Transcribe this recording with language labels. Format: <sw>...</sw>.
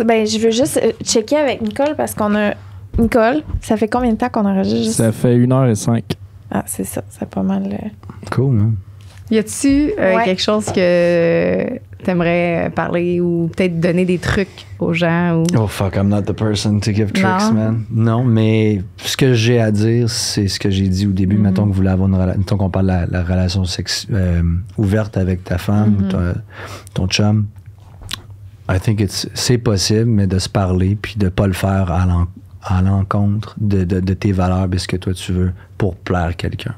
<fr>Ben, je veux juste checker avec Nicole, parce qu'on a... Nicole, ça fait combien de temps qu'on enregistre? Ça fait 1h05. Ah, c'est ça. C'est pas mal. Cool, hein? Y a-tu quelque chose que t'aimerais parler ou peut-être donner des trucs aux gens? Ou...</fr> <en>Oh, fuck, I'm not the person to give tricks, man.</en> <fr>Non, mais ce que j'ai à dire, c'est ce que j'ai dit au début. Mm-hmm. Mettons que vous voulez avoir une relation, mettons qu'on parle de la relation ouverte avec ta femme ou ton chum.</fr> <en>I think</en> <fr>c'est possible, mais de se parler puis de pas le faire à l'encontre de tes valeurs et ce que toi tu veux pour plaire quelqu'un.</fr>